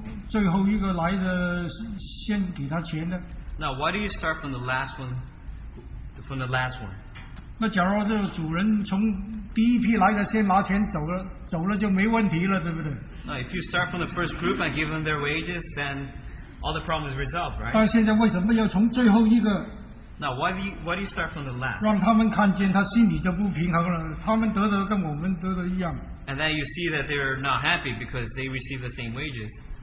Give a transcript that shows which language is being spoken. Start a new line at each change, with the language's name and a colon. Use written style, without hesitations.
Chinese: 我才读到这里，我奇怪，我说为什么他要从最后一个来的先给他钱呢？
English: Now, why do you start from the last one? From the last one.
Chinese: 那假如这个主人从第一批来的先拿钱走了，走了就没问题了，对不对？
English: Now, if you start from the first group and give them their wages, then all the problems resolved, right?
Chinese: 但现在为什么要从最后一个？
English: Now, why do you start from the last?
Chinese: 让他们看见他心里就不平衡了，他们得的跟我们得的一样。
English: And then you see that they're not happy because they receive the same wages.